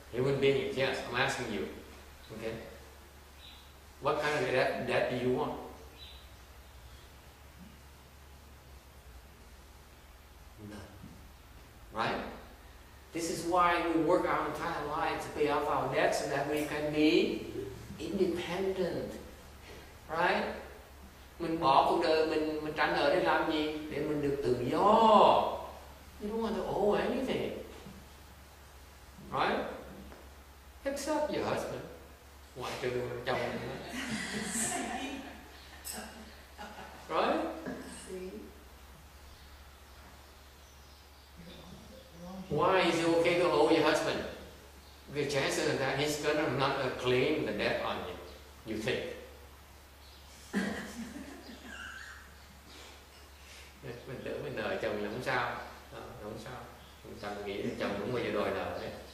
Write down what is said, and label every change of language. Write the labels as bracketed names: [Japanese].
[English] Human beings, yes. I'm asking you. Okay. What kind of debt do you want? None. Right? This is why we work our entire life to pay off our debts so that we can be independent. Right? [Vietnamese] Mình bỏ cuộc đời mình trả nợ để làm gì? Để mình được tự do. [English] You don't want to owe anything. Right? Except your husband. Why do you want to jump in? Right? Why is it okay to owe your husband? The chances are that he's gonna not claim the debt on you, you think. [Vietnamese] Mình tưởng mình nợ chồng là không sao. Không sao. Mình chẳng nghĩ chồng cũng bao giờ đòi nợ đấy.